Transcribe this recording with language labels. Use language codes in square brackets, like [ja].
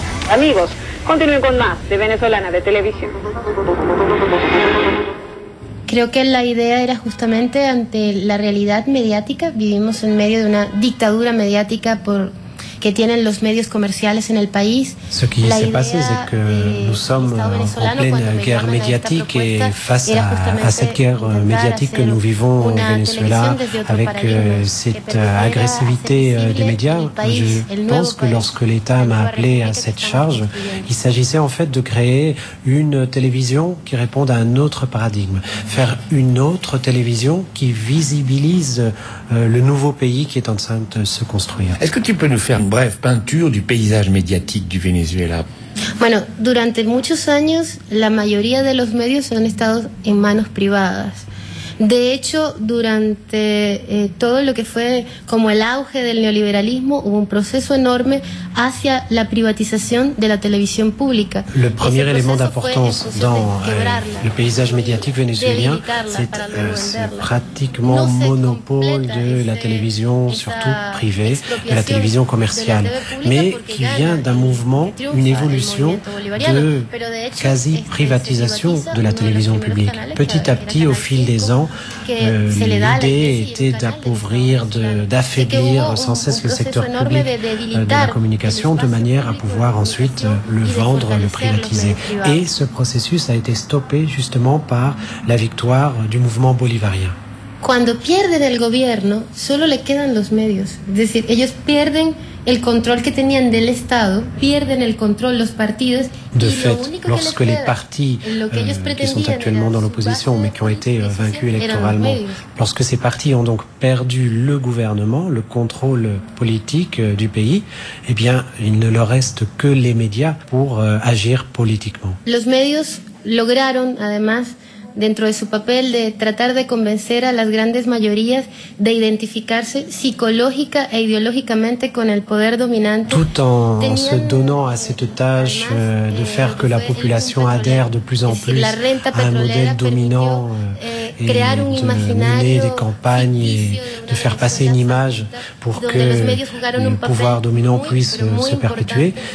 [es] Amigos, continuez con más de Venezolana de Televisión. Creo que la idea era justamente ante la realidad mediática. Vivimos en medio de una dictadura mediática por que tienen los medios comerciales en el país. [fr] Ce qui se passe, c'est que nous sommes en pleine guerre médiatique et face à cette guerre médiatique que nous vivons au Venezuela avec cette agressivité des médias. Je pense que lorsque l'État m'a appelé à cette charge, il s'agissait en fait de créer une télévision qui réponde à un autre paradigme. Faire une autre télévision qui visibilise le nouveau pays qui est en train de se construire. Est-ce que tu peux nous faire une brève peinture du paysage médiatique du Venezuela? [es] Bueno, durante muchos años, la mayoría de los medios han estado en manos privadas. De hecho, durante todo lo que fue como el auge del neoliberalismo, hubo un proceso enorme hacia la privatización de la televisión pública. [fr] Le premier élément d'importance dans le paysage médiatique vénézuélien, c'est pratiquement monopole de la télévision, surtout privée, de la télévision commerciale, mais qui vient d'un mouvement, une évolution de quasi-privatisation de la télévision publique. Petit à petit, au fil des ans, l'idée était d'appauvrir, d'affaiblir sans cesse le secteur public de la communication de manière à pouvoir ensuite le vendre, le privatiser. Et ce processus a été stoppé justement par la victoire du mouvement bolivarien. [es] Cuando pierden el gobierno, solo le quedan los medios. Es decir, ellos pierden el control que tenían del Estado, pierden el control los partidos. [fr] De fait, lorsque les partis qui sont actuellement dans l'opposition mais qui ont été vaincus électoralement, lorsque ces partis ont donc perdu le gouvernement, le contrôle politique du pays, eh bien, il ne leur reste que les médias pour agir politiquement. [es] Los medios lograron además dentro de su papel de tratar de convencer a las grandes mayorías de identificarse psicológica e ideológicamente con el poder dominante. [fr] Tout en se donnant à cette tâche de faire que la population adhère de plus en plus à un modèle dominant et de mener des campagnes et de faire passer une image pour que le pouvoir dominant puisse se perpétuer.